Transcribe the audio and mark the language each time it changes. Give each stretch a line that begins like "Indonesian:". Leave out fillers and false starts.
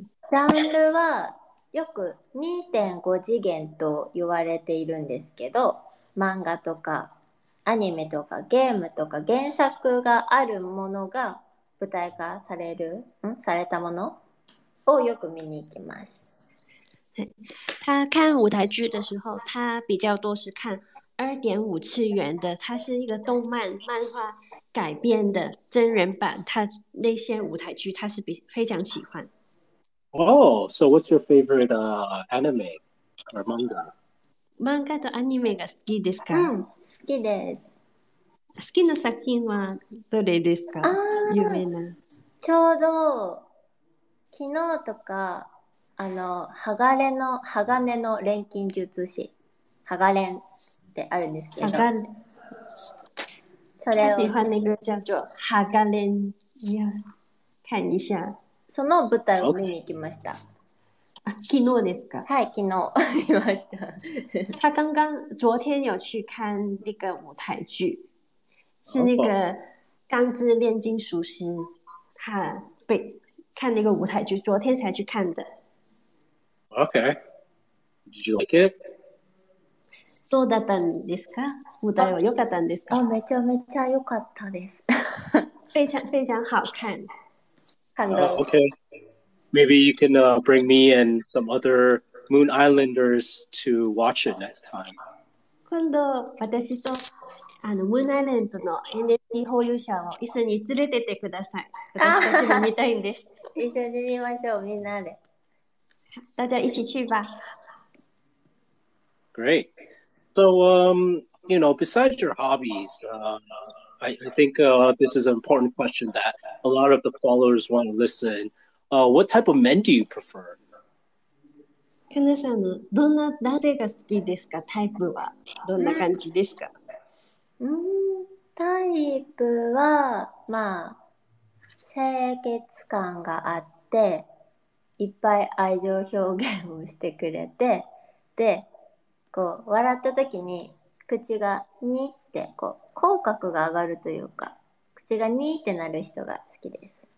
Japanese: ジャンルはよく 2.5 次元と言われているんですけど、漫画とかアニメとかゲームとか原作があるものが舞台化される、ん？されたものをよく見に行きます。
Chinese: 他看舞台剧的时候，他比较多是看 2.5 次元的，它是一个动漫漫画改编的真人版，他那些舞台剧他是非常喜欢。
English: Oh, so what's your favorite anime or manga?
Japanese: Manga とアニメが好きですか？うん、好きです。好きな作品はどれですか？有名な。ちょうど昨日とか、あの、鋼の錬金術師、鋼錬ってあるんですけど、それを
Chinese: 喜欢那个叫做鋼錬、看一下。
Japanese: その舞台を見に行きました。 Okay. 昨日ですか？はい、昨日見ました。
Chinese: 他刚刚昨天有去看那个舞台剧，是那个钢之炼金术师，他被。看那个舞台剧，昨天才去看的。
English: Okay, did you like it?
Japanese: どうだったんですか？舞台は良かったんですか？あ、めちゃめちゃ良かったです。
Chinese: 非常非常好看。
Japanese: 感動。
English: Okay, maybe you can bring me and some other Moon Islanders to watch it next time.
Japanese: 今度私とあの Moon Island の NFT 保有者を一緒に連れててください。私たちも見たいんです。一緒に見ましょう、みんなで。
Chinese: 大家一起去吧。
English: Great. So, you know, besides your hobbies, I think this is an important question that a lot of the followers want to listen. What type of men do you prefer?
Japanese: かなさんのどんな男性が好きですか？タイプはどんな感じですか？タイプは、まあ、清潔感があっていっぱい愛情表現をしてくれて、でこう笑った時に口がニってこう口角が上がるというか口がニってなる人が好きです。